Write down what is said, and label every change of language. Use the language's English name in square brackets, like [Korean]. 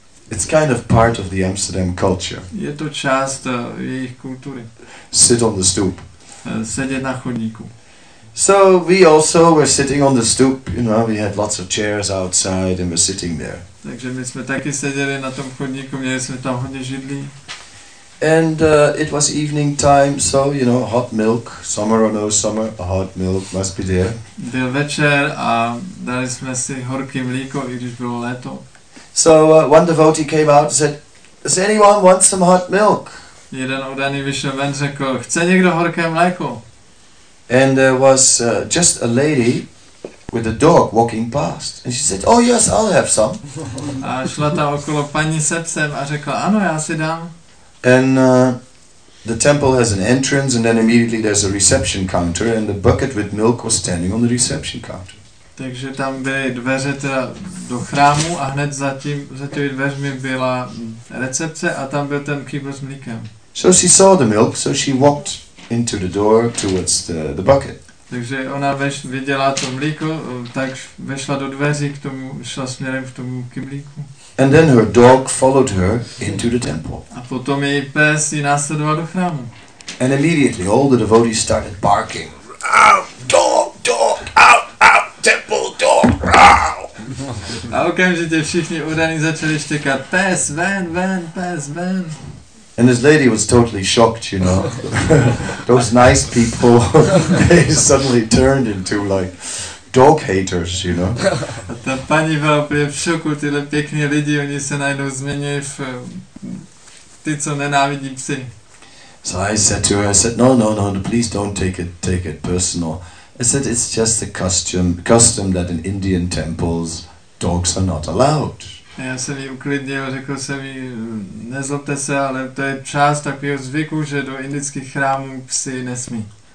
[English] It's kind of part of the Amsterdam culture. [Czech] Je to část jejich kultury. [English] Sit on the stoop. [Czech] Sedět na chodníku. [English] So we also were sitting on the stoop, you know, we had lots of chairs outside and we're sitting there. [Czech] Takže my jsme taky seděli na tom chodníku, měli jsme tam hodně židlí. [English] And it was evening time, so you know, hot milk, summer or no summer, hot milk must be there. [Czech] Byl večer a dali jsme si horký mlíko, i když bylo léto. [English] So one devotee came out and said, "Does anyone want some hot milk?" [Czech] Jeden udaný vyšel ven, řekl, "Chce někdo horké mléko?" [English] And there was just a lady with a dog walking past, and she said, "Oh yes, I'll have some." [Czech] A šla tam okolo paní se psem a řekla, "Ano, já si dám." [English] And the temple has an entrance, and then immediately there's a reception counter, and the bucket with milk was standing on the reception counter. [Czech] Takže tam byly dveře teda do chrámu a hned za těmi dveřmi byla recepce a tam byl ten kýbl s mlíkem. [English] So she saw the milk, so she walked into the door towards the bucket. [Czech] Takže ona viděla to mlíko, tak vešla do dveří k tomu, šla směrem k tomu kýblíku. [English] And then her dog followed her into the temple. [Czech] A potom její pes ji následoval do chrámu. [English] And immediately all the devotees started barking. Ow, dog, dog, ow! Temple dog. [Czech] A okamžitě všichni udaní začali štěkat. Pes ven, ven, pes ven. [English] And this lady was totally shocked, you know. Those nice people, they suddenly turned into like dog haters, you know. [Czech] A ta paní byla úplně v šoku, tyhle pěkní lidi, oni se najednou změnili v ty, co nenávidí psy. [English] So I said to her, I said, no, please don't take it personal. I said, it's just a custom that in Indian temples, dogs are not allowed. [Czech] Já jsem jí uklidnil, řekl jsem jí, nezlobte se, ale to je část takového zvyku, že do indických chrámů psi nesmí.